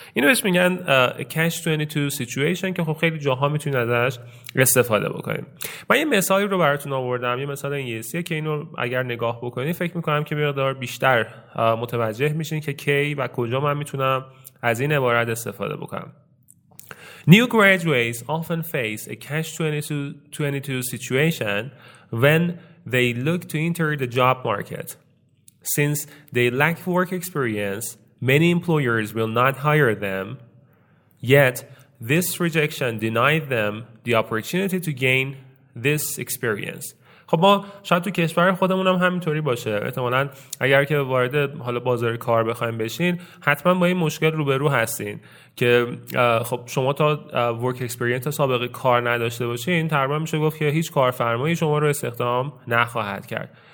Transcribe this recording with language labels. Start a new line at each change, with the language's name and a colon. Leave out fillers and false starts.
Persian: اینو بهش میگن catch 22 situation، که خب خیلی جاها میتونید ازش استفاده بکنیم. من یه مثالی رو براتون آوردم، یه مثال انگلیسیه که اینو اگر نگاه بکنید فکر میکنم که مقدار بیشتر متوجه میشین که کی و کجا من میتونم از این عبارت استفاده بکنم.
English: New graduates often face a catch 22 situation when they look to enter the job market. Since they lack work experience, many employers will not hire them. Yet, this rejection denied them the opportunity to gain this experience.
Persian: خب ما شاید تو کشور خودمون هم همینطوری باشه. احتمالاً اگر که وارد حالا بازار کار بخوایم بشین، حتما با این مشکل روبرو هستین که خب شما تا
English: work experience
Persian: سابقه کار نداشته باشین، تقریبا میشه گفت که هیچ کارفرمایی شما رو استخدام نخواهد کرد.